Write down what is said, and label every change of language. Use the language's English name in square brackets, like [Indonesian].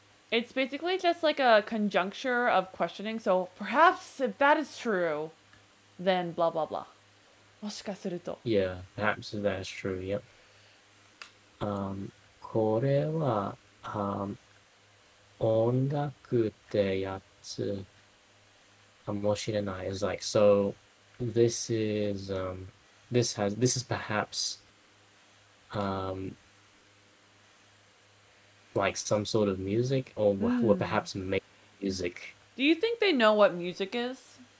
[English] it's basically just like a conjuncture of questioning. So perhaps if that is true, then blah, blah, blah. [Japanese] もしかすると. [English] Yeah, perhaps if that is true, yep. [Japanese] これは, 音楽ってやつ, かもしれない. [English] It's like, so this is, this is perhaps... like some sort of music or perhaps make music. Do you think they know what music is?